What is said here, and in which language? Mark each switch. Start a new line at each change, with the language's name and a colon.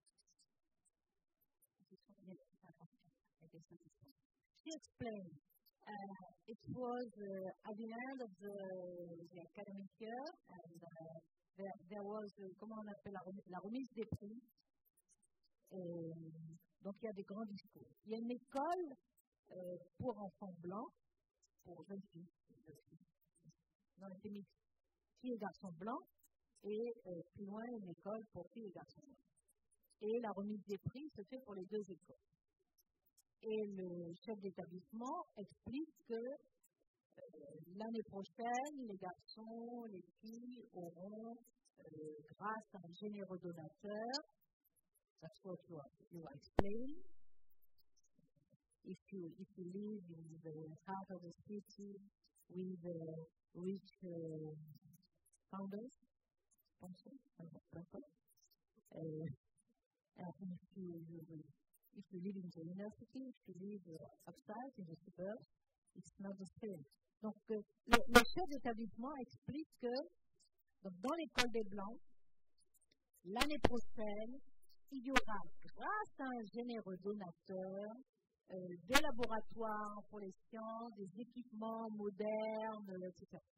English: This one, yes, I guess that's this one. She explained it was at the end of the academic year, and there was,
French: comment on appelle, la remise des prix. Donc il y a des grands discours. Il y a une école pour enfants blancs, pour jeunes filles, dans les mixte, filles et garçons blancs, et plus loin, une école pour filles et garçons blancs. Et la remise des prix se fait pour les deux écoles. Et le chef d'établissement explique que l'année prochaine, les garçons, les filles auront, grâce à un généreux donateur,
English: that's what you are explaining. If you live in the heart of the city with the rich founders, if you live in the inner city, if you live outside in the suburbs, it's not the same.
French: Donc le chef d'établissement explique que dans l'école des blancs, l'année prochaine, il y aura, grâce à un généreux donateur, des laboratoires pour les sciences, des équipements modernes, etc.